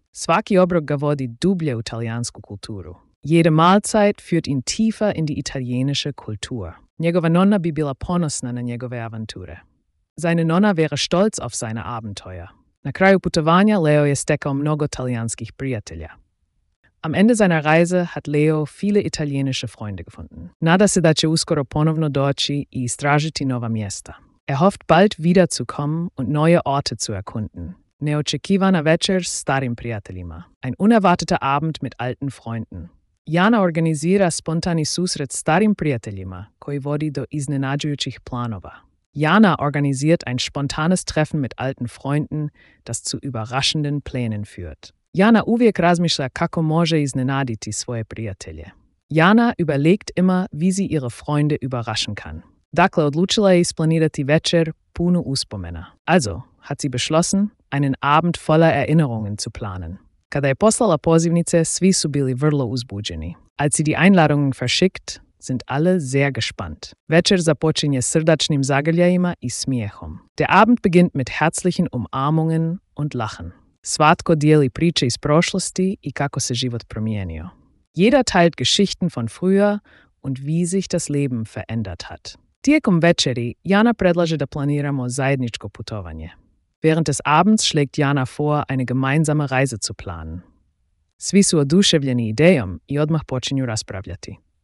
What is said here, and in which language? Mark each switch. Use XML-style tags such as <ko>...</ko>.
<hr>Svaki obrok ga vodi dublje u italijansku kulturu.</hr> <de>Jede Mahlzeit führt ihn tiefer in die italienische Kultur.</de> <hr>Njegova nonna bi bila ponosna na njegove avanture.</hr> <de>Seine nonna wäre stolz auf seine Abenteuer.</de> <hr>Na kraju putovanja Leo je stekao mnogo italijanskih prijatelja.</hr> <de>Am Ende seiner Reise hat Leo viele italienische Freunde gefunden.</de> <hr>Nada se da će uskoro ponovno doći i istražiti nova mjesta.</hr> <de>Er hofft bald wiederzukommen und neue Orte zu erkunden.</de> <hr>Neočekivana večer s starim prijateljima.</hr> <de>Ein unerwarteter Abend mit alten Freunden.</de> <hr>Jana organizira spontani susret starim prijateljima, koji vodi do iznenađujućih planova.</hr> <de>Jana organisiert ein spontanes Treffen mit alten Freunden, das zu überraschenden Plänen führt.</de> <hr>Jana uvijek razmišlja kako može iznenaditi svoje prijatelje.</hr> <de>Jana überlegt immer, wie sie ihre Freunde überraschen kann.</de> <hr>Dakle, odlučila je isplanirati večer punu uspomena.</hr> <de>Also, hat sie beschlossen, einen Abend voller Erinnerungen zu planen.</de> <hr>Kada je poslala pozivnice, svi su bili vrlo uzbuđeni.</hr> <de>Als sie die Einladungen verschickt, sind alle sehr gespannt.</de> <hr>Večer započinje srdačnim zagrljajima i smijehom.</hr> <de>Der Abend beginnt mit herzlichen Umarmungen und Lachen.</de> <hr>Svatko dijeli priče iz prošlosti i kako se život promijenio.</hr> <de>Jeder teilt Geschichten von früher und wie sich das Leben verändert hat.</de> <hr>Tijekom večeri, Jana predlaže da planiramo zajedničko putovanje.</hr> <de>Während des Abends schlägt Jana vor, eine gemeinsame Reise zu planen.</de> <hr>Svi su oduševljeni idejom i odmah počinju raspravljati.</hr>